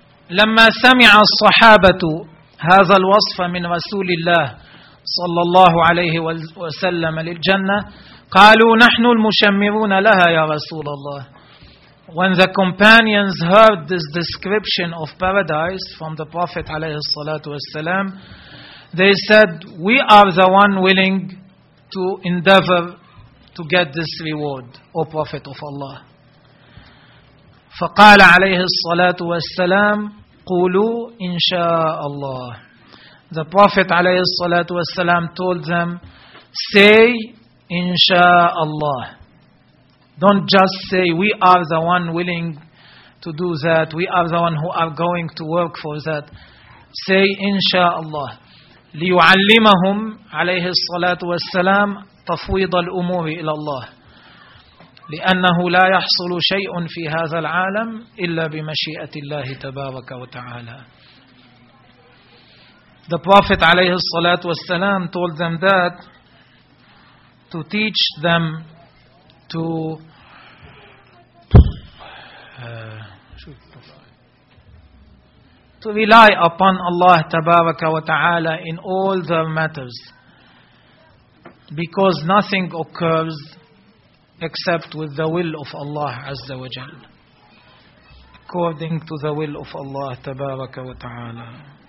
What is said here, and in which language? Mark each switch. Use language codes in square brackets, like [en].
[ar] لما سمع الصحابة هذا الوصف من رسول الله صلى الله عليه وسلم للجنة قالوا نحن المشمرون لها يا رسول الله. [en] When the companions heard this description of paradise from the Prophet عليه الصلاة والسلام, they said, we are the one willing to endeavor to get this reward, O Prophet of Allah. [ar] فقال عليه الصلاة والسلام قولوا إن شاء الله. [en] The Prophet عليه الصلاة والسلام told them, say [ar] إن شاء الله. [en] Don't just say, we are the one willing to do that, we are the one who are going to work for that. Say [ar] إن شاء الله. ليعلمهم عليه الصلاة والسلام تفويض الأمور إلى الله, لأنه لا يحصل شيء في هذا العالم إلا بمشيئة الله تبارك وتعالى. [en] The Prophet عليه الصلاة والسلام told them that to teach them to rely upon Allah تبارك وتعالى in all their matters, because nothing occurs except with the will of Allah Azza wa Jal, according to the will of Allah Tabaraka wa Ta'ala.